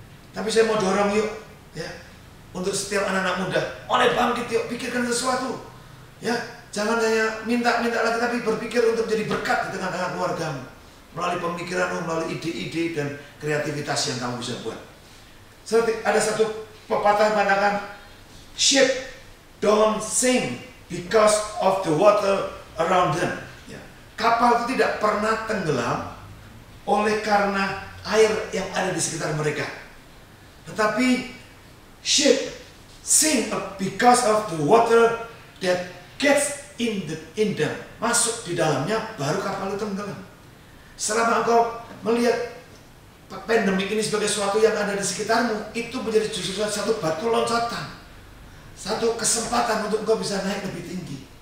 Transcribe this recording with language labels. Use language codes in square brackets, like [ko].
[id] Tapi saya mau dorong yuk, ya, untuk setiap anak-anak muda, mulai bangkit yuk, pikirkan sesuatu, ya. Jangan hanya minta-minta lagi, tapi berpikir untuk jadi berkat di tengah-tengah keluargamu melalui pemikiranmu, melalui ide-ide dan kreativitas yang kamu bisa buat. [en] Seperti ada satu pepatah mengatakan, "Ship don't sink because of the water around them." [id] Ya. Kapal itu tidak pernah tenggelam oleh karena air yang ada di sekitar mereka. Tetapi [en] ship sink because of the water that gets in them. [id] Masuk di dalamnya, baru kapal itu tenggelam. Selama engkau melihat pandemik ini sebagai sesuatu yang ada di sekitarmu, itu menjadi justru satu batu loncatan, satu kesempatan untuk engkau bisa naik lebih tinggi.